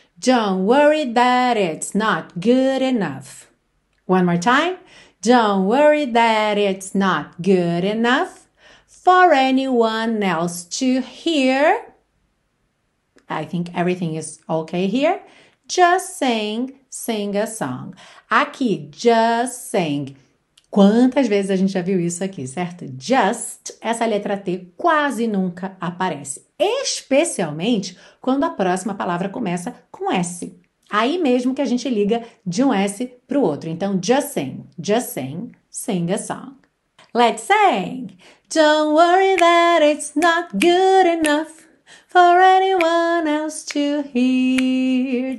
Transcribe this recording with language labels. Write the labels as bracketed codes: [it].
[en] Don't worry that it's not good enough. One more time. Don't worry that it's not good enough for anyone else to hear. I think everything is okay here. Just sing a song. [pt] Aqui, [en] just sing. [pt] Quantas vezes a gente já viu isso aqui, certo? Just, essa letra T quase nunca aparece, especialmente quando a próxima palavra começa com S. Aí mesmo que a gente liga de um S para o outro. Então, [en] just sing, sing a song. Let's sing! Don't worry that it's not good enough for anyone else to hear.